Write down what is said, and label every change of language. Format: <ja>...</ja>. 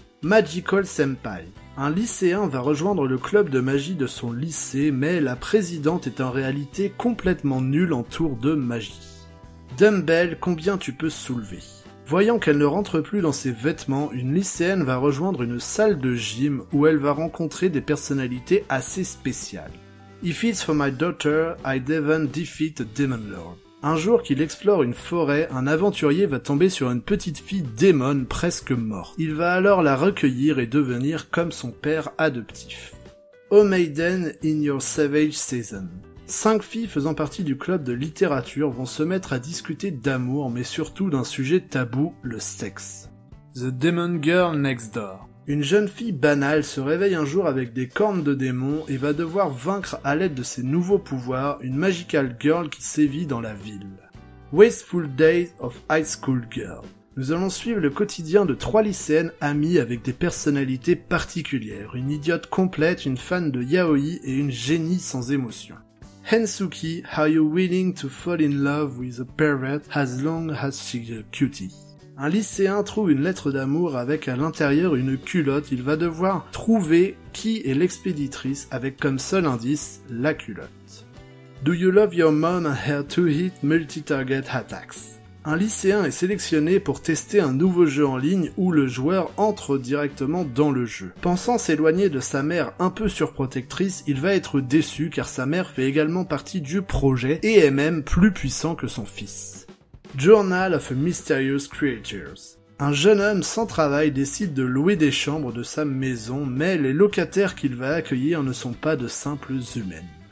<fr>Magical Senpai. Un lycéen va rejoindre le club de magie de son lycée, mais la présidente est en réalité complètement nulle en tour de magie. Dumbbell, combien tu peux soulever ? Voyant qu'elle ne rentre plus dans ses vêtements, une lycéenne va rejoindre une salle de gym où elle va rencontrer des personnalités assez spéciales.</fr> <en>If it's for my daughter, I'd even defeat a demon lord.</en> <fr>Un jour qu'il explore une forêt, un aventurier va tomber sur une petite fille démon presque morte. Il va alors la recueillir et devenir comme son père adoptif.</fr> <en>Oh maiden in your savage season.</en> <fr>Cinq filles faisant partie du club de littérature vont se mettre à discuter d'amour, mais surtout d'un sujet tabou, le sexe. The Demon Girl Next Door. Une jeune fille banale se réveille un jour avec des cornes de démon et va devoir vaincre à l'aide de ses nouveaux pouvoirs une magical girl qui sévit dans la ville.</fr> <en>Wasteful Days of High School Girl.</en> <fr>Nous allons suivre le quotidien de trois lycéennes amies avec des personnalités particulières, une idiote complète, une fan de yaoi et une génie sans émotion.</fr> <en>Hensuki, are you willing to fall in love with a pervert as long as she's a cutie?</en> <fr>Un lycéen trouve une lettre d'amour avec à l'intérieur une culotte. Il va devoir trouver qui est l'expéditrice avec comme seul indice la culotte.</fr> <en>Do you love your mom and her two-hit multi-target attacks?</en> <fr>Un lycéen est sélectionné pour tester un nouveau jeu en ligne où le joueur entre directement dans le jeu. Pensant s'éloigner de sa mère un peu surprotectrice, il va être déçu car sa mère fait également partie du projet et est même plus puissant que son fils. Journal of Mysterious Creatures. Un jeune homme sans travail décide de louer des chambres de sa maison, mais les locataires qu'il va accueillir ne sont pas de simples humaines.</fr>